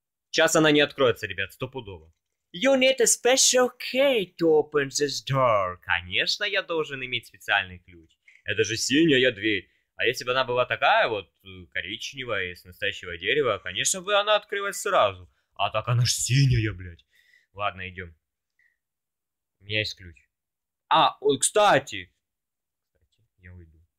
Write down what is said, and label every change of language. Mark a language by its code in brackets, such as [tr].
[ru] Сейчас она не откроется, ребят, стопудово. [en] You need a special key to open this door. [ru] Конечно, я должен иметь специальный ключ. Это же синяя дверь. А если бы она была такая вот, коричневая, из настоящего дерева, конечно бы она открылась сразу. А так она ж синяя, блядь. Ладно, идем. У меня есть ключ. А, он, кстати. Кстати, я уйду.